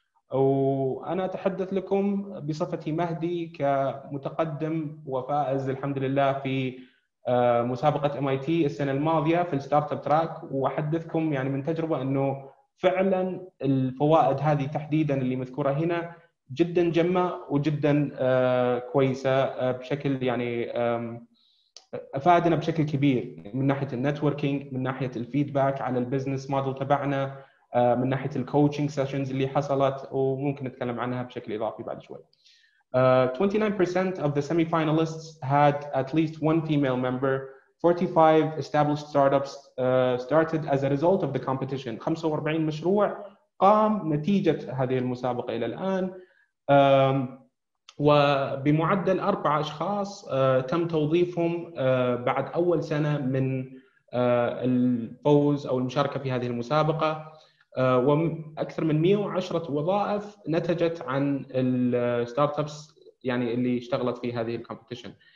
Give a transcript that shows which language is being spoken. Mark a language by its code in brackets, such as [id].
[ar] وأنا أتحدث لكم بصفتي مهدي كمتقدم وفائز الحمد لله في مسابقة MIT السنة الماضية في الستارتاب تراك، وأحدثكم يعني من تجربة أنه فعلا الفوائد هذه تحديدا اللي مذكورة هنا جدا جمة وجدا كويسة بشكل يعني أفادنا بشكل كبير من ناحية النتوركينج، من ناحية الفيدباك على البزنس موديل تبعنا، من ناحية الكوتشنج سيشنز اللي حصلت وممكن نتكلم عنها بشكل إضافي بعد شوي. [en] 29% of the semi-finalists had at least one female member. 45 established startups started as a result of the competition. [ar] 45 مشروع قام نتيجة هذه المسابقة إلى الآن. وبمعدل 4 أشخاص تم توظيفهم بعد أول سنة من الفوز أو المشاركة في هذه المسابقة، وأكثر من 110 وظائف نتجت عن الستارتابس يعني اللي اشتغلت في هذه الكومبيتيشن.